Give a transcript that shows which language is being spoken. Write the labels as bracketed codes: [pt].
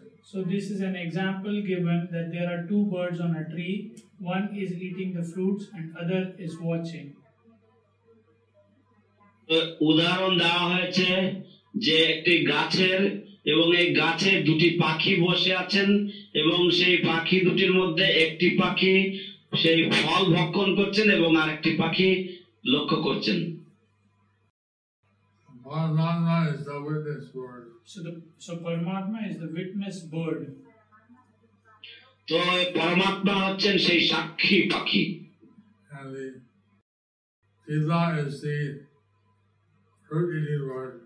[en] So this is an example given that there are two birds on a tree. One is eating the fruits and other is watching. [bn] উদাহরণ দেওয়া হয়েছে যে একটি গাছের এবং এই গাছে দুটি পাখি বসে আছেন এবং সেই পাখি দুটির মধ্যে একটি পাখি সেই ফল ভক্ষণ করছেন এবং আরেকটি পাখি লক্ষ্য করছেন। [en] Paramatma is the witness bird. So Paramatma is the witness bird. [bn] So Paramatma hocchen sei sakhi pakhi. [en] And Jiva is the fruit-eating bird.